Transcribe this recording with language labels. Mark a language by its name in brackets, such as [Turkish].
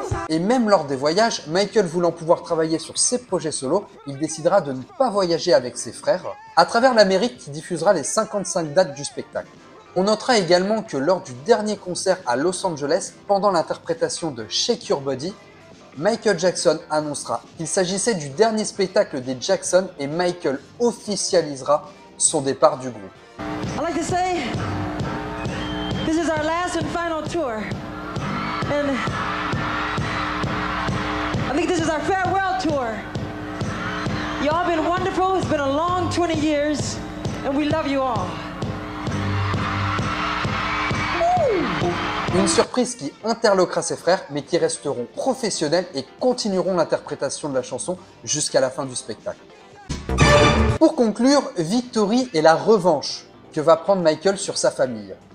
[French] Et même lors des voyages, Michael voulant pouvoir travailler sur ses projets solo, il décidera de ne pas voyager avec ses frères à travers l'Amérique qui diffusera les 55 dates du spectacle. On notera également que lors du dernier concert à Los Angeles, pendant l'interprétation de Shake Your Body, Michael Jackson annoncera qu'il s'agissait du dernier spectacle des Jackson et Michael officialisera son départ du groupe. [English] I like to say, this is our last and final tour. And... I think this is our farewell tour. Y'all been wonderful. It's been a long 20 years, and we love you all. [French] Une surprise qui interloquera ses frères, mais qui resteront professionnels et continueront l'interprétation de la chanson jusqu'à la fin du spectacle. Pour conclure, Victory est la revanche que va prendre Michael sur sa famille.